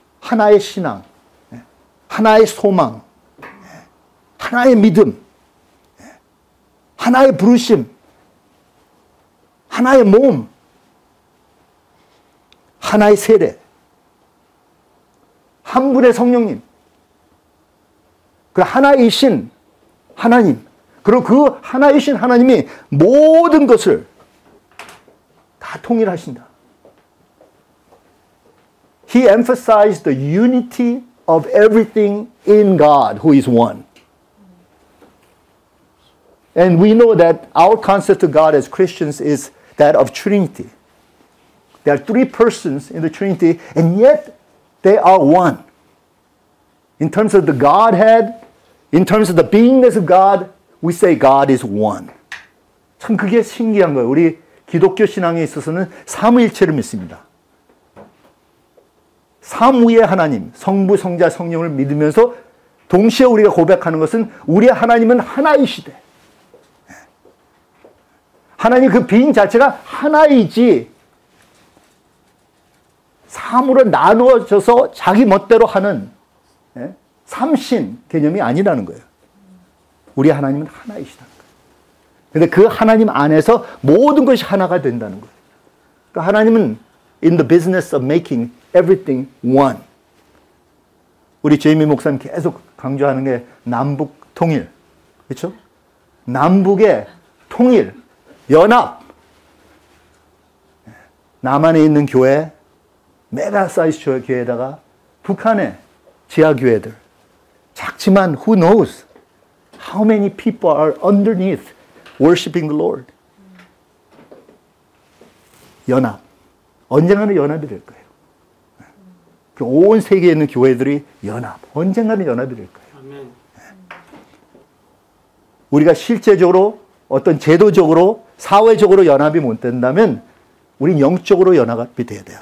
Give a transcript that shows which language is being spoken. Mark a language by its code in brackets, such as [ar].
[ko] 하나의 신앙, 하나의 소망, 하나의 믿음, 하나의 부르심, 하나의 몸, 하나의 세례, 한 분의 성령님, 그 하나이신 하나님, 그리고 그 하나이신 하나님이 모든 것을 다 통일하신다. [en] He emphasized the unity of everything in God who is one. And we know that our concept of God as Christians is that of Trinity. There are three persons in the Trinity, and yet they are one. In terms of the Godhead, in terms of the beingness of God, we say God is one. [ko] 참 그게 신기한 거예요. 우리 기독교 신앙에 있어서는 삼위일체를 믿습니다. 삼위의 하나님, 성부, 성자, 성령을 믿으면서 동시에 우리가 고백하는 것은 우리의 하나님은 하나이시대. 하나님 그 빙 자체가 하나이지 삼으로 나누어져서 자기 멋대로 하는 삼신 개념이 아니라는 거예요. 우리 하나님은 하나이시다. 근데 그 하나님 안에서 모든 것이 하나가 된다는 거예요. 그러니까 하나님은 [en] in the business of making everything one. [ko] 우리 제이미 목사님 계속 강조하는 게 남북 통일. 그렇죠? 남북의 통일, 연합. 남한에 있는 교회, 메가 사이즈 교회에다가 북한의 지하 교회들. 작지만 [en] who knows how many people are underneath worshiping the Lord. [ko] 연합. 언젠가는 연합이 될 거예요. 그 온 세계에 있는 교회들이 연합. 언젠가는 연합이 될 거예요. 우리가 실제적으로 어떤 제도적으로 사회적으로 연합이 못 된다면 우린 영적으로 연합이 돼야 돼요.